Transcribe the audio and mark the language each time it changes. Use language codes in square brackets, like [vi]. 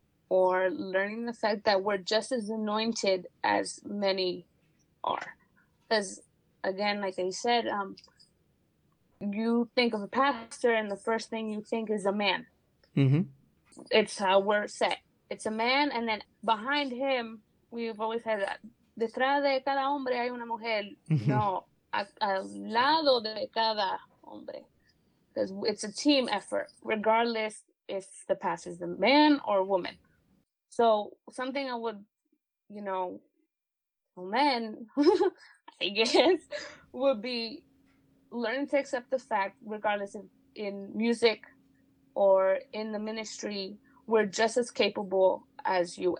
[en] Or learning the fact that we're just as anointed as many are. Because, again, like I said, you think of a pastor and the first thing you think is a man. Mm-hmm. It's how we're set. It's a man, and then behind him, we've always had that. [es] Detrás de cada hombre hay una mujer. No, al lado de cada hombre. [en] Because it's a team effort, regardless if the pastor is a man or a woman. So something I would, you know, men, I guess, would be learning to accept the fact, regardless of in music or in the ministry, we're just as capable as you.